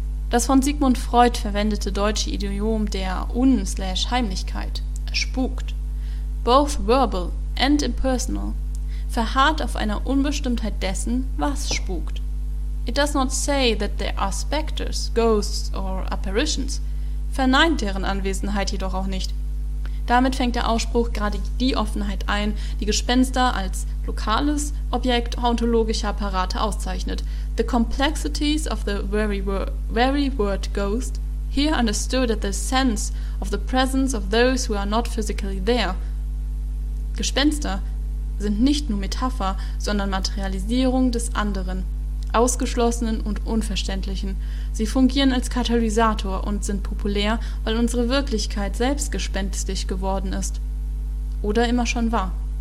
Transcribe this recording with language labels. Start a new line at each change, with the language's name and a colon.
German: Das von Sigmund Freud verwendete deutsche Idiom der Un/Heimlichkeit spukt,
English: both verbal and impersonal,
German: verharrt auf einer Unbestimmtheit dessen, was spukt.
English: It does not say that there are specters, ghosts or apparitions,
German: verneint deren Anwesenheit jedoch auch nicht. Damit fängt der Ausspruch gerade die Offenheit ein, die Gespenster als lokales Objekt ontologischer Apparate auszeichnet.
English: The complexities of the very word ghost, here understood as the sense of the presence of those who are not physically there.
German: Gespenster sind nicht nur Metapher, sondern Materialisierung des Anderen, Ausgeschlossenen und Unverständlichen. Sie fungieren als Katalysator und sind populär, weil unsere Wirklichkeit selbst gespenstisch geworden ist. Oder immer schon war.